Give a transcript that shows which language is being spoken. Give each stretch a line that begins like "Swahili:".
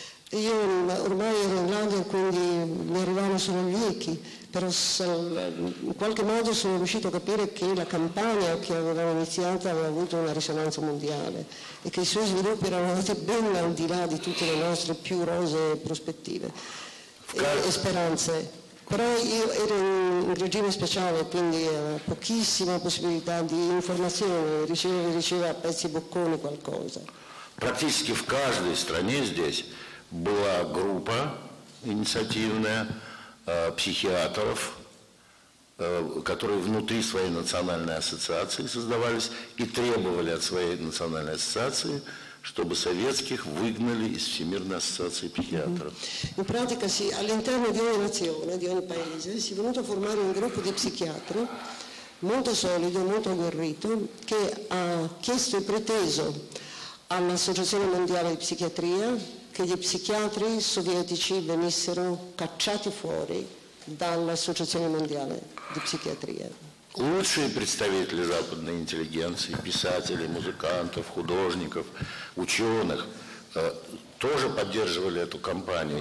Italian: Io ormai ero in Olanda, quindi mi arrivavano solo gli echi, però in qualche modo sono riuscito a capire che la campagna che avevamo iniziato aveva avuto una risonanza mondiale e che i suoi sviluppi erano andati ben al di là di tutte le nostre più rosee prospettive e speranze. Però io ero in un regime speciale, quindi pochissima possibilità di informazione, riceveva a pezzi bocconi qualcosa. Praticamente in ogni stranie
Russian: здесь была группа инициативная психиатров, которые внутри своей национальной ассоциации создавались и требовали от своей национальной ассоциации, чтобы советских выгнали из Всемирной ассоциации психиатров.
Italian: In pratica si all'interno di ogni nazione, di ogni paese, si è venuto a formare un gruppo di psichiatri molto solido, molto agguerrito, che ha chiesto e preteso all'Associazione Mondiale di Psichiatria che gli psichiatri sovietici venissero cacciati fuori dall'Associazione Mondiale di Psichiatria.
Russian: Лучшие представители западной интеллигенции, писателей, музыкантов, художников, ученых, тоже поддерживали эту кампанию.